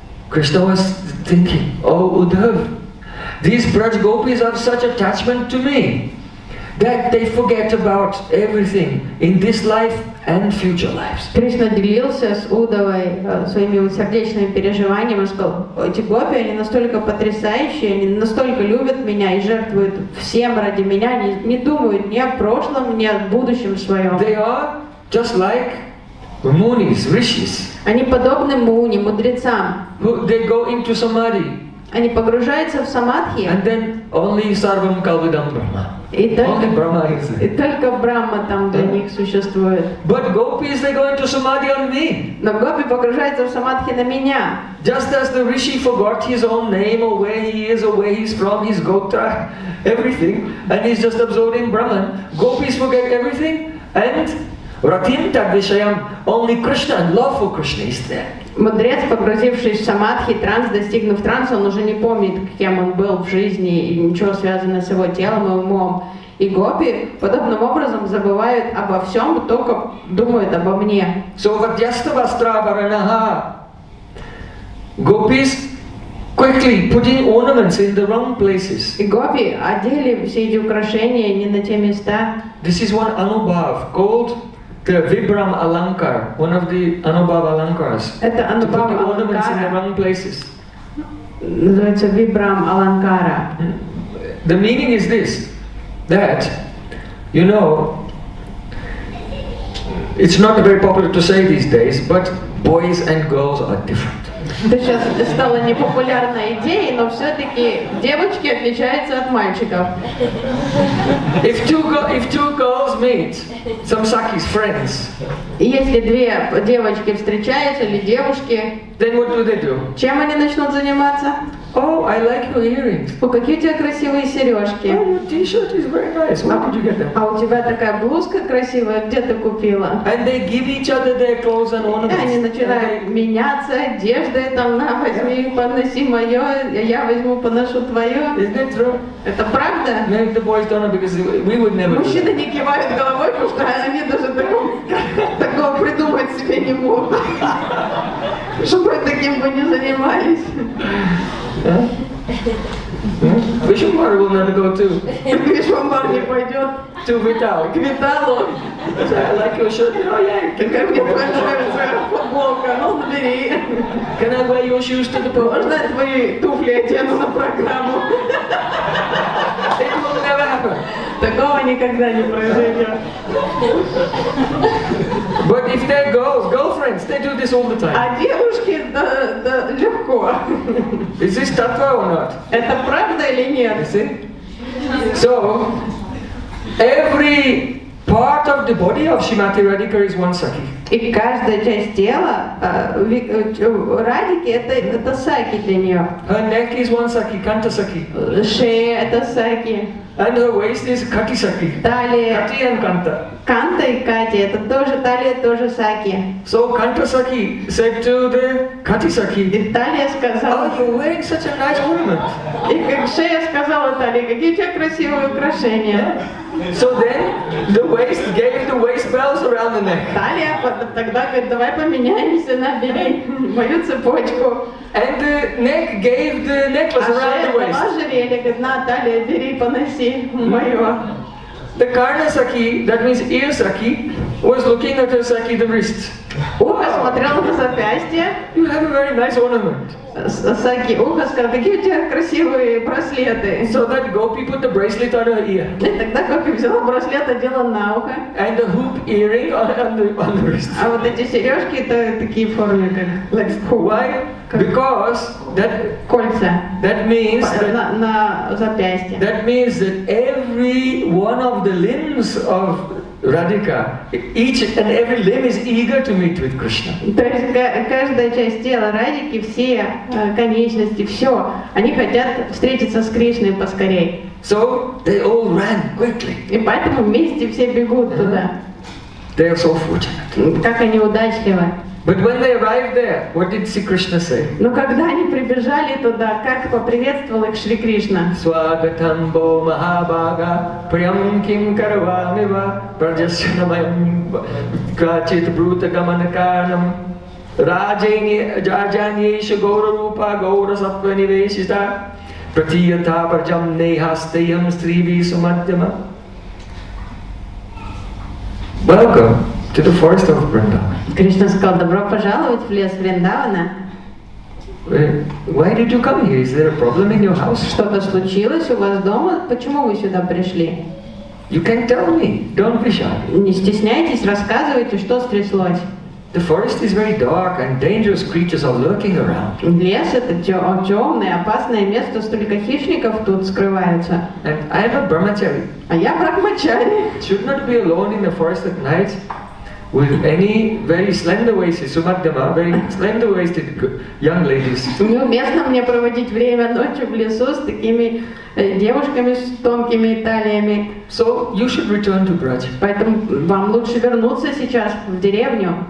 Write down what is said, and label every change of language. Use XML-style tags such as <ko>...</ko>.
<en>Krishna was thinking, oh Uddhava, these Braj Gopis have such attachment to me that they forget about everything in this life and future lives.</en> <ru>Krishna делился с Удавой своими сердечными переживаниями и сказал, эти гопи, они настолько потрясающие, они настолько любят меня и жертвуют всем ради меня, они не думают ни о прошлом, ни о будущем своем.</ru> <en>They are just like Munis, rishis.</en> <ru>Они подобны муни, мудрецам.</ru> <en>Who, they go into samadhi.</en> <ru>Они погружаются в самадхи.</ru> <en>And then only</en> <sa>sarvam kalvidam brahma.</sa> <ru>И только,</ru> <en>only brahma is</en> <ru>there. И только брахма там для них существует.</ru> <en>But gopis they go into samadhi on me.</en> <ru>Но гопи погружаются в самадхи на меня.</ru> <en>Just as the rishi forgot his own name or where he is or where he's from, his gotra, everything, and he's just absorbing brahman. Gopis forget everything and Ratinta Vishayam, only Krishna and love for Krishna is there.</en> <ru>Мудрец, погрузившись в самадхи, транс, достигнув транса, он уже не помнит, кем он был в жизни, и ничего связанного с его телом и умом. И гопи подобным образом забывают обо всем, только думают обо мне.</ru> <sa>So Vadyasta Vastravaranaha.</sa> <en>Gopis quickly putting ornaments in the wrong places.</en> <ru>И гопи одели все эти украшения не на те места.</ru> <en>This is one anubhav called the Vibram Alankar, one of the Anubhav Alankars.</en> <ru>Это Anubhav</ru> <en>Alankara. The ornaments in the wrong places.</en> <ru>Называется Vibram Alankara.</ru> <en>The meaning is this, that, you know, it's not very popular to say these days, but boys and girls are different.</en> <ru>Это сейчас стало непопулярной идеей, но все-таки девочки отличаются от мальчиков.</ru> <en>If two girls meet, some sakis, friends.</en> <ru>Если две девочки встречаются или девушки,</ru> <en>then what do they do?</en> <ru>Чем они начнут заниматься?</ru> <en>Oh, I like your earrings.</en> <ru>О, какие у тебя красивые сережки.</ru> <en>Oh, your t-shirt is very nice. Where did you get them?</en> <ru>А у тебя такая блузка красивая, где ты купила?</ru> <en>And they give each other their clothes and ornaments.</en> <ru>И они начинают меняться одеждой, там, на, возьми,</ru> <en>yeah,</en> <ru>поноси мое, я возьму, поношу твое.</ru> <en>Is that true?</en> <ru>Это правда?</ru> <en>Maybe the boys don't know because we would never.</en> <ru>Мужчины не кивают головой, потому что они даже такого придумать себе не могут. Чтобы таким бы не занимались.</ru> <en>Вишвамбар will never go too.</en> <ru>Вишвамбар не пойдет.</ru> <en>To Vital.</en> <ru>К Виталу.</ru> <en>I like your shirt. Oh yeah.</en> <ru>Как мне понравится футболка. Ну, бери.</ru> <en>Can I wear your shoes to the program?</en> <ru>Можно твои туфли одену на программу?</ru> <en>It will never happen.</en> <ru>Такого никогда не произойдет.</ru> <en>But if they're girls, girlfriends, they do this all the time.</en> <ru>А девушки, да, легко.</ru> <en>Is this tattva or not?</en> <ru>Это правда или нет?</ru> <en>See? So, every part of the body of Shrimati Radhika is one sakhi.</en> <ru>И каждая часть тела, радики, это саки для нее.</ru> <en>Her neck is one saki, kanta saki.</en> <ru>Шея это саки.</ru> <en>And her waist is kaki saki.</en> <ru>Талия.</ru> <en>Kati and kanta.</en> <ru>Канта и Кати, это тоже талия, тоже саки.</ru> <en>So kanta saki said to the kati saki.</en> <ru>И талия сказала.</ru> <en>Oh, you're wearing such a nice ornament.</en> <ru>И как шея сказала талии, какие у тебя красивые украшения.</ru> <en>So then the waist gave the waist belts around the neck.</en> <ru>Талия тогда говорит, давай поменяемся на мою цепочку.</ru> <en>And the neck gave the necklace around the waist.</en> <ru>А шея дала жерелье, говорит, на, талия, бери, поноси мое.</ru> <en>The karna saki, that means ear saki, was looking at her saki, the wrist.</en> <ru>Ухо смотрело на запястье.</ru> <en>You have a very nice ornament.</en> <ru>Саки, ухо сказал, какие у тебя красивые браслеты.</ru> <en>So that gopi put the bracelet on her ear.</en> <ru>Тогда гопи взяла браслет, одела на ухо.</ru> <en>And the hoop earring on the wrist.</en> <ru>А вот эти сережки, это такие формы, как...</ru> <en>Like, hoop. Why? Because that...</en> <ru>Кольца.</ru> <en>That means...</en> <ru>На запястье.</ru> <en>That means that every one of the limbs of... Radhika, each and every limb is eager to meet with Krishna.</en> <ru>То есть каждая часть тела Радхики, все конечности, все, они хотят встретиться с Кришной поскорей.</ru> <en>So they all ran quickly.</en> <ru>И поэтому вместе все бегут туда.</ru> <en>They are so fortunate.</en> <ru>Как они удачливы.</ru> <en>But when they arrived there, what did Sri Krishna say?</en> <ru>Но когда они прибежали туда, как поприветствовал их Шри Кришна?</ru> <sa>Свагатам бо махабага прям ким карвами ва праджасанамам качит брута гаманакарам раджани джаджанишу гаурупа гаурасапванивешита пратията парджам нейхастеям стриви сумадьяма.</sa> <en>Welcome to the forest of Vrindavan.</en> <ru>Кришна сказал, добро пожаловать в лес Вриндавана.</ru> <en>Why did you come here? Is there a problem in your house?</en> <ru>Что-то случилось у вас дома? Почему вы сюда пришли?</ru> <en>You can tell me. Don't be shy.</en> <ru>Не стесняйтесь, рассказывайте, что стряслось.</ru> <en>The forest is very dark and dangerous creatures are lurking around.</en> <ru>Лес это темное, опасное место, столько хищников тут скрывается.</ru> <en>And I am a brahmachari.</en> <ru>А я брахмачари.</ru> <en>Should not be alone in the forest at night with any very slender waisted sumadhyama, very slender waisted young ladies.</en> <ru>Неуместно мне проводить время ночью в лесу с такими девушками с тонкими талиями.</ru> <en>So you should return to Braj.</en> <ru>Поэтому вам лучше вернуться сейчас в деревню.</ru>